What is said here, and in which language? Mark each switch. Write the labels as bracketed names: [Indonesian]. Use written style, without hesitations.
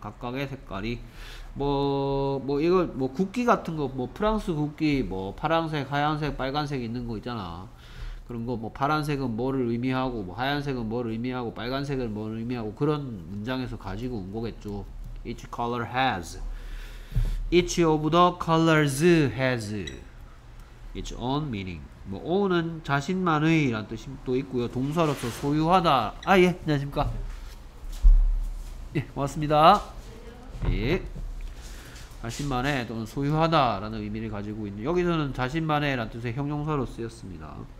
[Korean] 각각의 색깔이 뭐 이거 뭐 국기 같은 거, 뭐 프랑스 국기, 뭐 파란색, 하얀색, 빨간색 있는 거 있잖아. 그런 거 뭐 파란색은 뭐를 의미하고, 뭐 하얀색은 뭐를 의미하고, 빨간색은 뭐를 의미하고 그런 문장에서 가지고 온 거겠죠. [English] Each color has. Each of the colors has its own meaning. [Korean] 뭐 own은 자신만의 라는 뜻도 있고요. 동사로서 소유하다. 아 예, 안녕하십니까. 예, 고맙습니다. 예. 자신만의 또는 소유하다 라는 의미를 가지고 있는 여기서는 자신만의 라는 뜻의 형용사로 쓰였습니다.